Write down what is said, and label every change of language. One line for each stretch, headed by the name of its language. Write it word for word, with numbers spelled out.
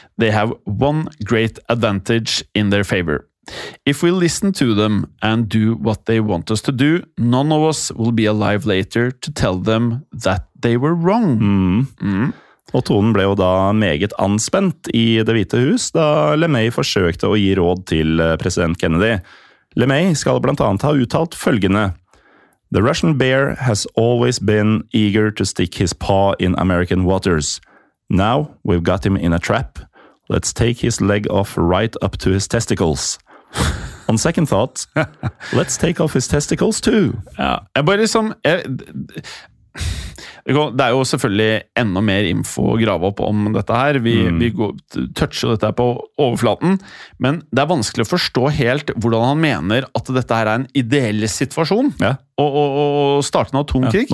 English: They have one great advantage in their favor. If we listen to them and do what they want us to do, none of us will be alive later to tell them that they were wrong. Mm. Mm.
Norwegian: Og tonen ble jo da meget anspent i Det hvite hus da LeMay forsøkte å gi råd til president Kennedy. LeMay skal blant annet ha uttalt følgende:
English: The Russian bear has always been eager to stick his paw in American waters. Now we've got him in a trap. Let's take his leg off right up to his testicles. On second thought, let's take off his testicles too.
Norwegian: Ja, jeg bare liksom jeg, det er jo selvfølgelig enda mer info å grave opp om dette her. Vi, mm. vi går, toucher dette på overflaten, men det er vanskelig å forstå helt hvordan han mener at dette her er en ideell situasjon. Ja. Og, og, og starte en atomkrig.